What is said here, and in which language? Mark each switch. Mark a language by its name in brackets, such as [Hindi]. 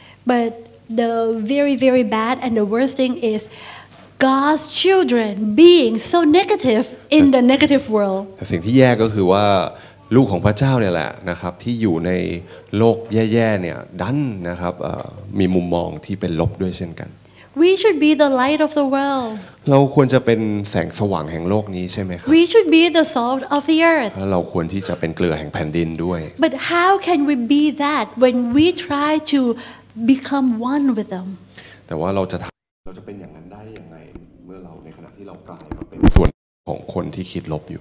[English] But the very very bad and the worst thing is God's children being so negative in the negative world. [Thai] สิ่งที่แย่ก็คือว่าลูกของพระเจ้าเนี่ยแหละนะครับที่อยู่ในโลกแย่ๆเนี่ยดันนะครับมีมุมมองที่เป็นลบด้วยเช่นกัน [English] We should be the light of the world. [Thai] เราควรจะเป็นแสงสว่างแห่งโลกนี้ใช่ไหมครับ [English] We should be the salt of the earth. [Thai] เราควรที่จะเป็นเกลือแห่งแผ่นดินด้วย [English] But how can we be that when we try to become one with them? [Thai] แต่ว่าเราจะเป็นอย่างนั้นได้ยังไงเมื่อเราในขณะที่เรากลายมาเป็นส่วนของคนที่คิดลบอยู